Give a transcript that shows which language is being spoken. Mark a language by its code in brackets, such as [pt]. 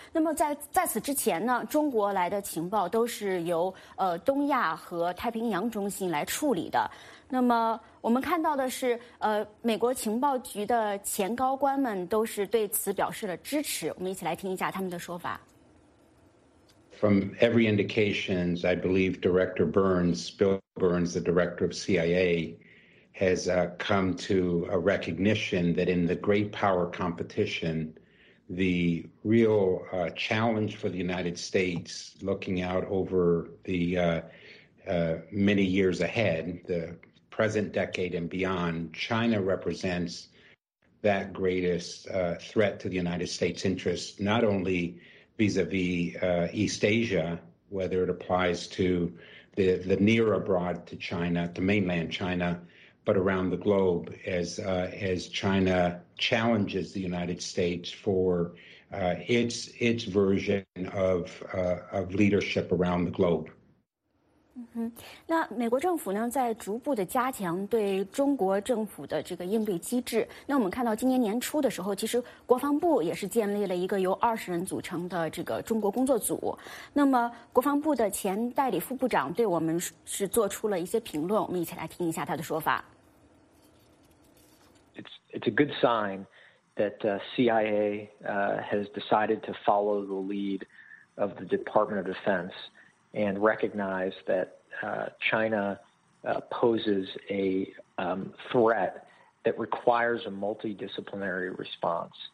[zh] 那么在此之前呢，中国来的情报都是由东亚和太平洋中心来处理的。那么我们看到的是美国情报局的前高官们都是对此表示了支持，我们一起来听一下他们的说法。 [en] From every indication, I believe Director Burns, Bill Burns, the director of CIA, has come to a recognition that in the great power competition, the real challenge for the United States, looking out over the many years ahead, the present decade and beyond, China represents that greatest threat to the United States' interests, not onlyvis-a-vis East Asia, whether it applies to the near abroad to China, to mainland China, but around the globe as China challenges the United States for its version of leadership around the globe. [zh] 那美国政府呢，在逐步的加强对中国政府的这个应对机制。那我们看到今年年初的时候，其实国防部也是建立了一个由20人组成的这个中国工作组。那么国防部的前代理副部长对我们是做出了一些评论，我们一起来听一下他的说法。 [en] It's a good sign that CIA has decided to follow the lead of the Department of Defense. And recognize that China poses a threat that requires a multidisciplinary response.